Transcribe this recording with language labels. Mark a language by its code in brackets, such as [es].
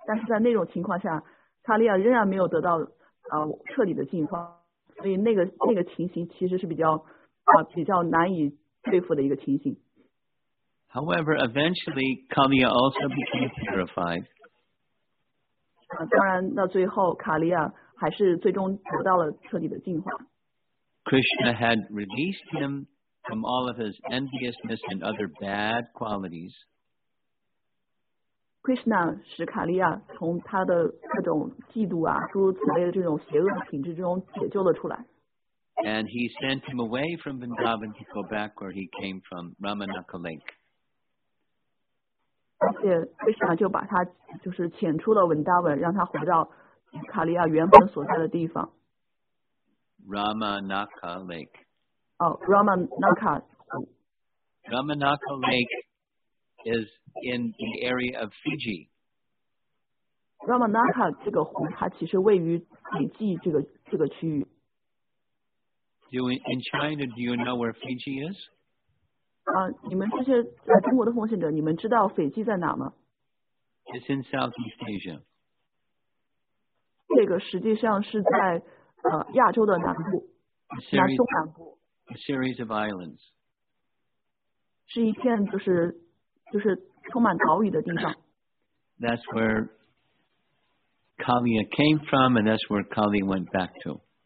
[zh] 但是在那种情况下，卡利亚仍然没有得到彻底的净化，所以那个情形其实是比较难以对付的一个情形。 [en] However, eventually, Kaliya also became purified. [zh] 当然，到最后卡利亚还是最终得到了彻底的净化。 [en] Krishna had released him. From all of his enviousness and other bad qualities, [zh] Krishna 使卡利亚从他的各种嫉妒啊，诸如此类的这种邪恶的品质之中解救了出来。 [en] And he sent him away from Vrindavan to go back where he came from, Ramanaka Lake. [zh] 而且 Krishna 就把他就是遣出了 Vrindavan， 让他回到卡利亚原本所在的地方。 [en] Ramanaka Lake. Ramanaka. Ramanaka Lake is in the area of Fiji. [zh] Ramanaka 这个湖，它其实位于斐济这个区域。 [en] In China, do you know where Fiji is? [zh] 你们这些在中国的奉献者，你们知道斐济在哪吗 [en] ？It's in Southeast Asia. [zh] 这个实际上是在亚洲的南部，东南部。 [en] A series of islands. [zh] 是一片就是充满岛屿的地方。 [en] That's where Kaliya came from, and that's where Kaliya went back to.